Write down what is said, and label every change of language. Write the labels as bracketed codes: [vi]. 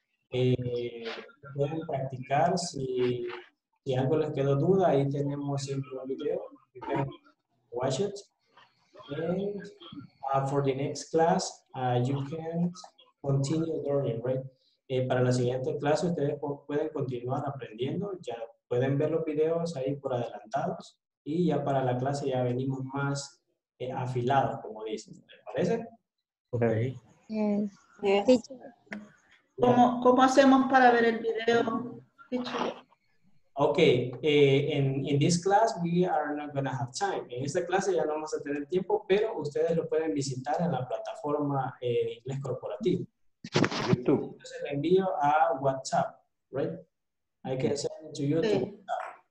[es] Pueden practicar si algo les quedó duda, ahí tenemos siempre un video. [en] You can watch it. And for the next class, you can continue learning, right? [es] Para la siguiente clase, ustedes pueden continuar aprendiendo. Ya pueden ver los videos ahí por adelantados. Y ya para la clase ya venimos más afilados, como dicen. ¿Les parece? [en] Ok. Yes. Yes. [es] ¿Cómo hacemos para ver el video? [en] Ok. In this class, we are not going to have time. [es] En esta clase ya no vamos a tener tiempo, pero ustedes lo pueden visitar en la plataforma en inglés corporativo. YouTube. Entonces, le envío a WhatsApp, right? [en] I can send it to you to WhatsApp.